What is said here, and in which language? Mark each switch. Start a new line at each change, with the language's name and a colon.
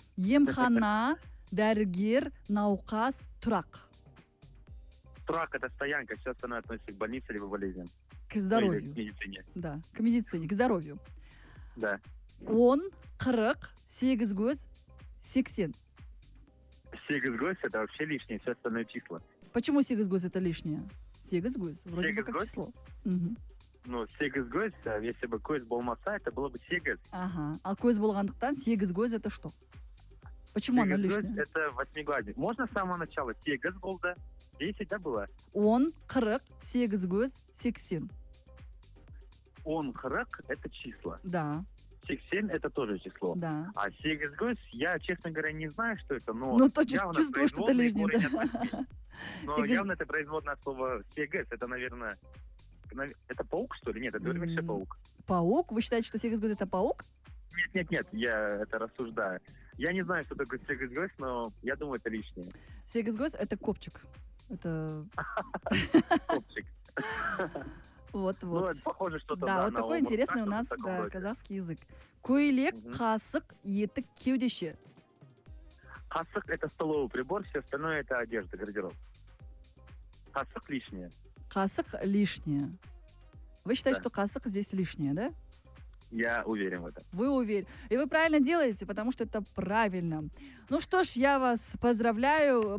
Kazakh: Емхана, дәрігер, науқас, тұрак.
Russian: Тұрак — это стоянка, все остальное относится к больнице либо болезням. К здоровью. Или к медицине. Да, к медицине, к здоровью. Да.
Kazakh: Он, қырық, сегіз көз, сексен.
Russian: Сегіз көз — это вообще лишнее, все остальное — числа. Почему сегіз көз — это лишнее? Сегіз көз, вроде сегіз бы как гос? Число. Угу. Ну, сегіз көз, если бы
Kazakh: көз болмаса,
Russian: это было бы сегіз. Ага.
Kazakh: А көз болғандықтан сегіз көз —
Russian: это что? Почему оно лишнее? Сегіз көз — это восьмигладник. Можно с самого начала?
Kazakh: Сегіз болды,
Russian: десять, да, было?
Kazakh: Он, қырық, сегіз көз, сексен.
Russian: Он, қырық — это числа. Да. Сексен — это тоже число. Да. А сегіз көз, я, честно говоря, не знаю, что это, но... Ну, то чувствую, что это лишнее, да. Но сегіз... явно это производное слово сегіз, это, наверное... Это паук, что ли? Нет, это вернее паук. Паук? Вы считаете, что сегіз көз — это паук? Нет, я это рассуждаю. Я не знаю, что такое сегіз көз, но я думаю, это лишнее. Сегіз көз — это копчик. Это... Копчик. Вот-вот. Ну, это похоже что-то, да. Вот такой интересный у нас казахский язык.
Kazakh: Көйлек, қасык, етік, кеудеше.
Russian: Қасык — это столовый прибор, все остальное — это одежда, гардероб. Қасык — лишнее. Касык – лишнее. Вы считаете, да, что касык здесь лишнее, да? Я уверен в этом. Вы уверен. И вы правильно делаете, потому что это правильно. Ну что ж, я вас поздравляю.